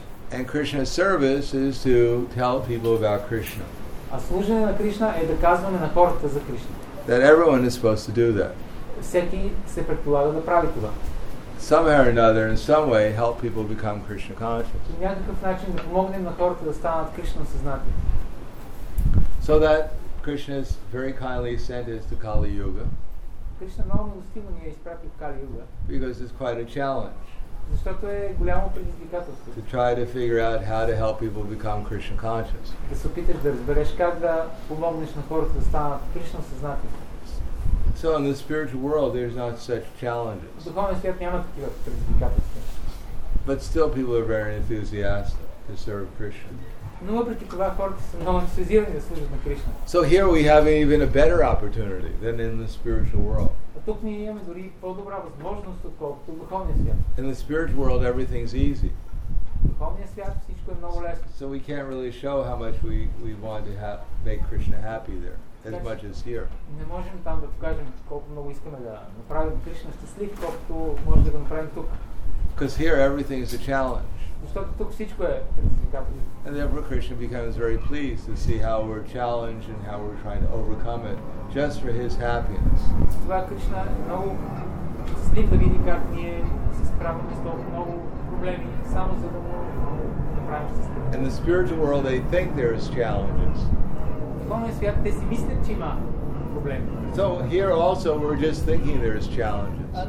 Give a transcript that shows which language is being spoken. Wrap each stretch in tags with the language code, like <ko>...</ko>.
<en>And Krishna's service is to tell people about Krishna. That everyone is supposed to do that.</en> <bg>всеки се предполага да прави това.</bg> <en>Somehow or another, in some way, help people become Krishna conscious.</en> <bg>Някакъв начин да помогнем на хората да станат Кришна съзнати.</bg> <en>So that Krishna is very kindly sent us to Kali Yuga.</en> <bg>Кришна много милостиво ни е изпратил в Кали Юга.</bg> <en>Because it's quite a challenge.</en> <bg>Защото е голямо предизвикателство.</bg> <en>To try to figure out how to help people become Krishna conscious.</en> <bg>Да се опиташ да разбереш как да помогнеш на хората да станат Кришна съзнати.</bg> <en>So in the spiritual world there's not such challenges.</en> <bg>В духовния свят няма такива предизвикателства.</bg> <en>But still people are very enthusiastic to serve Krishna.</en> <bg>Но въпреки това хората са много ентусиазирани да служат на Кришна.</bg> <en>So here we have even a better opportunity than in the spiritual world.</en> <bg>А тук ние имаме дори по-добра възможност отколкото в духовния свят.</bg> <en>In the spiritual world everything's easy.</en> <bg>В духовния свят всичко е много лесно.</bg> <en>So we can't really show how much we want to have make Krishna happy there. As much as here.</en> <bg>Не можем там да покажем колко много искаме да направим Кришна щастлив, колкото може да го направим тук.</bg> <en>Because here everything is a challenge.</en> <bg>Защото тук всичко е предизвикателство.</bg> <en>And therefore Krishna becomes very pleased to see how we're challenged and how we're trying to overcome it just for his happiness.</en> <bg>Затова Кришна много щастлив да види как ние се справяме с толкова много проблеми, само за да му направим щастлив.</bg> <en>In the spiritual world they think there is challenges. So here also we're just thinking there's challenges.</en>